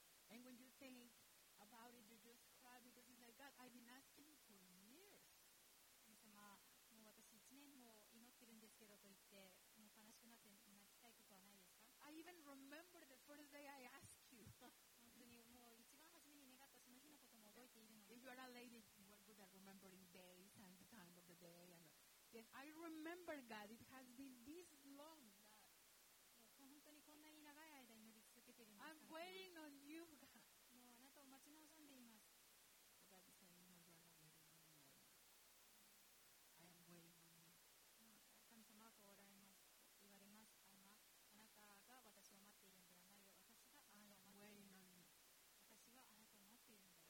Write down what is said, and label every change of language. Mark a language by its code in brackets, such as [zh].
[en] And when you think about it, you just cry because it's like, God, I've been asking for years. [ja] 神様、もう私1年も祈ってるんですけどと言って、もう悲しくなって泣きたいことはないですか? [en] I even remember the first day I asked you. [ja] 本当にもう一番初めに願ったその日のことも覚えているので。 [en] If you are a lady, you are good at remembering days and the time of the day. And then I remember God, it has been this long. [ja] 本当にこんなに長い間祈り続けているんです [en] か?I'm waiting on you, God. [ja] もうあなたを待ち望んでいます。 [en] God is saying, no, you are not waiting on me. I am waiting on you. [ja] 神様はこうおられます。言われます。あなたが私を待っているんではないよ。私があなたを待っているんだよ。 [en] I am waiting on you. [ja] 私はあなたを待っているんだよ。